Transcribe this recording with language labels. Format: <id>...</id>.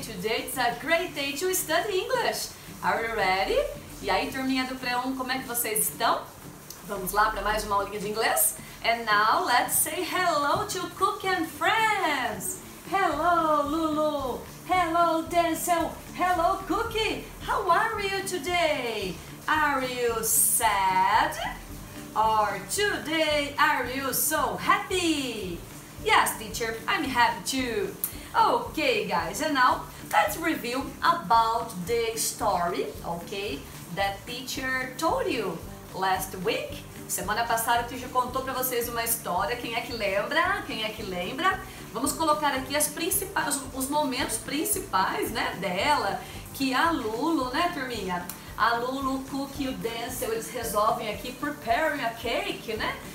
<en>Today is a great day to study English. Are you ready?</en> <pt>E aí, turminha do pré-1, como é que vocês estão? Vamos lá para mais uma aulinha de inglês?</pt> <en>And now, let's say hello to Cook and Friends! Hello, Lulu! Hello, Denzel! Hello, Cookie! How are you today? Are you sad? Or today, are you so happy? Yes, teacher, I'm happy too. Okay, guys, and now let's review about the story, okay, that teacher told you last week.</en> <pt>Semana passada o teacher contou pra vocês uma história. Quem é que lembra? Quem é que lembra? Vamos colocar aqui as principais, os momentos principais, né, dela, que a Lulu, né, turminha? A Lulu, o Cook e o Denzel, eles resolvem aqui</pt> <en>preparing a cake,</en> <pt>né?</pt>